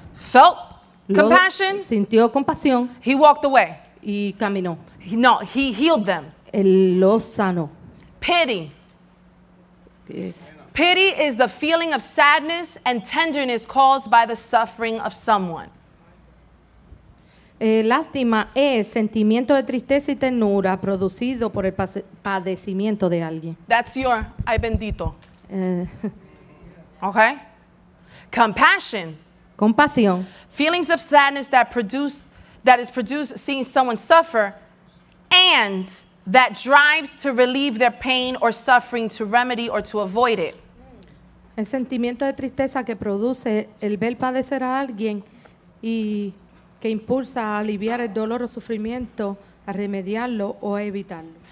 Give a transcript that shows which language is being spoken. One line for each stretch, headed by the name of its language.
English: Felt compassion.
Spanish: Sintió compasión.
English: He walked away.
Spanish: Y caminó.
English: He healed them.
Spanish: Lo sano.
English: Pity. Pity is the feeling of sadness and tenderness caused by the suffering of someone.
Spanish: Lástima es sentimiento de tristeza y ternura producido por el padecimiento de alguien.
English: That's your
Spanish: ay bendito.
English: Okay. Compassion.
Spanish: Compasión.
English: Feelings of sadness that is produced seeing someone suffer and that drives to relieve their pain or suffering, to remedy or to avoid it.
Spanish: El sentimiento de tristeza que produce el ver padecer a alguien y que impulsa a aliviar el dolor o sufrimiento, a remediarlo o a evitarlo.